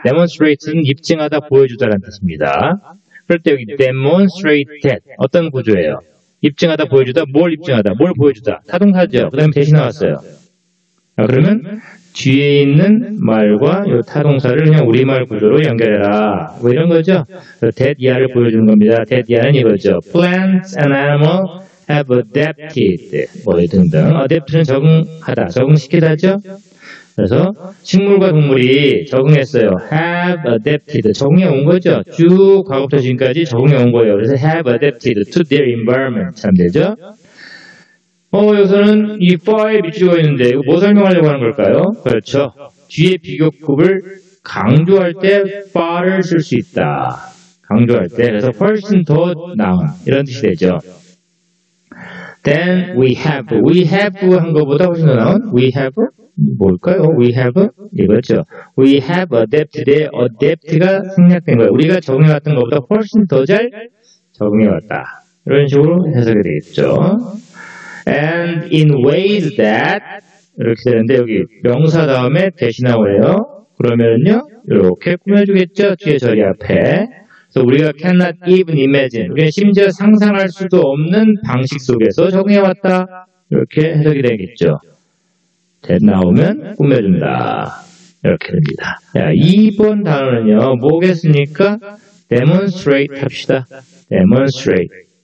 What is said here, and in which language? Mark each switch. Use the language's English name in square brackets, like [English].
[Korean] demonstrate는 입증하다, 보여주다라는 뜻입니다. 그럴 때 여기 demonstrate that. 어떤 구조예요? 입증하다, 보여주다. 뭘 입증하다? 뭘 보여주다? 타동사죠. 그 다음에 대신 나왔어요. 자, 그러면 뒤에 있는 말과 이 타동사를 그냥 우리말 구조로 연결해라. 뭐 이런 거죠. That ER를 보여주는 겁니다. That ER는 이거죠. [English] Plants and animals have adapted. [Korean] 뭐 등등. Adapt는 적응하다, 적응시키다죠. 그래서 식물과 동물이 적응했어요. [English] Have adapted. [Korean] 적응해 온 거죠. 쭉 과거부터 지금까지 적응해 온 거예요. 그래서 [English] have adapted to their environment. [Korean] 참 되죠. 여기서는 이 5이 찍어 있는데 이거 뭐 설명하려고 하는 걸까요? 그렇죠. 뒤에 비교급을 강조할 때 far을 쓸 수 있다. 강조할 때. 그래서 훨씬 더 나은 이런 뜻이 되죠. [English] Then we have. We have [Korean] 한 것보다 훨씬 더 나은. We have 뭘까요? We have 이거죠. [English] We have adapted [Korean] 의 adapt가 생략된 거예요. 우리가 적응해 왔던 것보다 훨씬 더 잘 적응해 왔다. 이런 식으로 해석이 되겠죠. [English] And in ways that [Korean] 이렇게 되는데 여기 명사 다음에 대시 나오네요. 그러면요 이렇게 꾸며주겠죠. 뒤에 저리 앞에. [English] So [Korean] 우리가 [English] cannot even imagine. [Korean] 우리는 심지어 상상할 수도 없는 방식 속에서 적응해왔다. 이렇게 해석이 되겠죠. That 나오면 꾸며준다. 이렇게 됩니다. 자, 2번 단어는요. 뭐겠습니까? Demonstrate 합시다. Demonstrate.